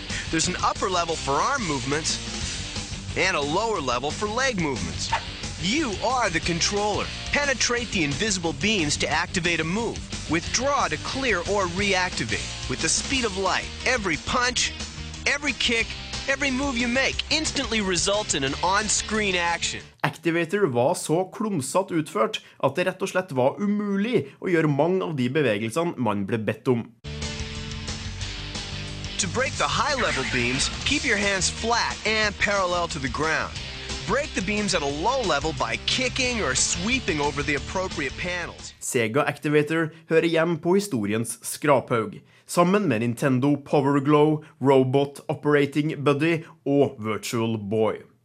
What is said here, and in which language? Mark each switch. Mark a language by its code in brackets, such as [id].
[en] There's an upper level for arm movements, and a lower level for leg movements. You are the controller. Penetrate the invisible beams to activate a move. Withdraw to clear or reactivate. With the speed of light, every punch, every kick, every move you make instantly results in an on-screen action. [no] Activator var så klumsatt utført at det rett og slett var umulig å gjøre mange av de bevegelsene man ble bedt om. [en] To break the high-level beams, keep your hands flat and parallel to the ground. Break the beams at a low level by kicking or sweeping over the appropriate panels. [no] Sega Activator hører hjem på historiens skraphaug. Sammen med Nintendo Power Glow, Robot Operating Buddy og Virtual Boy.